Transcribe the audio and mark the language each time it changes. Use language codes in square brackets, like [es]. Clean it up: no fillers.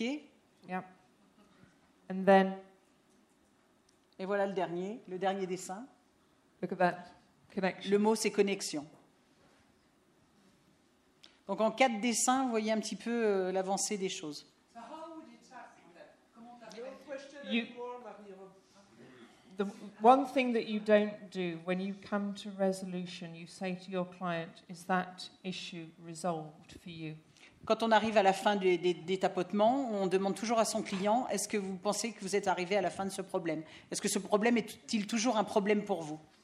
[en] Yeah. And then, [fr] et voilà le dernier dessin. [en] Look at that. Connection. [fr] Le mot, c'est connexion. Donc en quatre dessins, vous voyez un petit peu l'avancée des choses. [en] So how would you tap that? The one thing that you don't do when you come to resolution, you say to your client, is that issue resolved for you? [fr] Quand on arrive à la fin des tapotements, on demande toujours à son client, est-ce que vous pensez que vous êtes arrivé à la fin de ce problème? Est-ce que ce problème est-il toujours un problème pour vous?